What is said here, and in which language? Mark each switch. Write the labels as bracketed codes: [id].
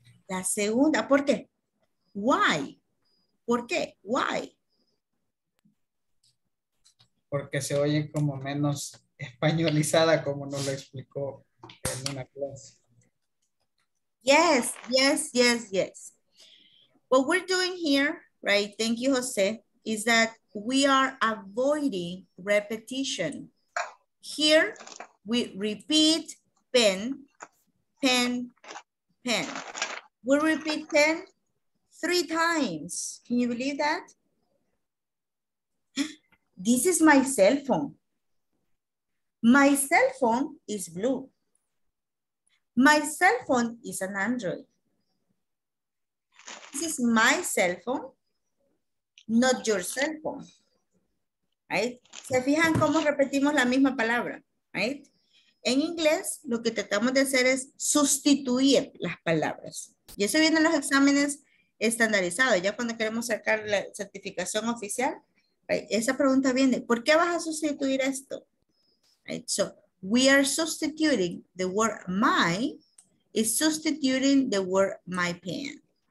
[es] La segunda. ¿Por qué? Why? ¿Por qué? Why? porque se oye como menos españolizada como nos lo explicó en una clase. [en] Yes, yes, yes, yes. What we're doing here, right, thank you, Jose, is that we are avoiding repetition. Here, we repeat pen, pen, pen. We repeat pen 3 times. Can you believe that? This is my cell phone. My cell phone is blue. My cell phone is an Android. This is my cell phone, not your cell phone. [es] Right? ¿Se fijan cómo repetimos la misma palabra? Right? En inglés, lo que tratamos de hacer es sustituir las palabras. Y eso viene en los exámenes estandarizados. Ya cuando queremos sacar la certificación oficial, right, esa pregunta viene, ¿por qué vas a sustituir esto? [en] Right? So, we are substituting the word my, is substituting the word my pen.